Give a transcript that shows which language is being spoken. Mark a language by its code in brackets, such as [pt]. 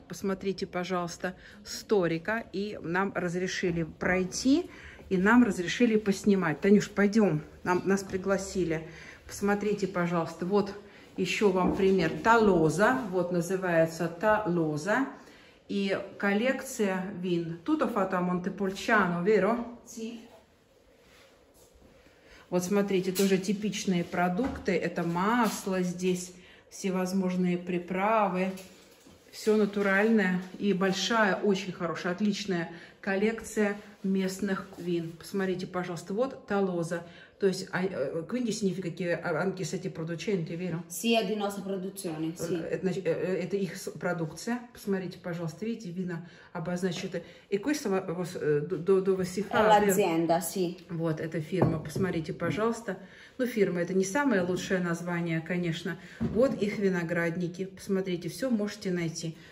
[ru] Посмотрите, пожалуйста, сторика. И нам разрешили пройти, и нам разрешили поснимать. Танюш, пойдем, нас пригласили. Посмотрите, пожалуйста, вот еще вам пример. Толоза, вот называется Толоза. И коллекция вин. [it] Tutto fatto a Montepulciano, vero? Sì. [ru] Вот смотрите, тоже типичные продукты. Это масло здесь, всевозможные приправы. Все натуральное. И большая, очень хорошая, отличная коллекция местных вин. Посмотрите, пожалуйста, вот Толоза. То есть, [it] quindi significa che anche se ti producenti, vero? Sì, è di nostra produzione, sì. [ru] Это их продукция. Посмотрите, пожалуйста, видите, вина обозначены. И [it] questo dove si fa? L'azienda, sì. [ru] Вот, это фирма, посмотрите, пожалуйста. Ну, фирма, это не самое лучшее название, конечно. Вот их виноградники. Посмотрите, все можете найти.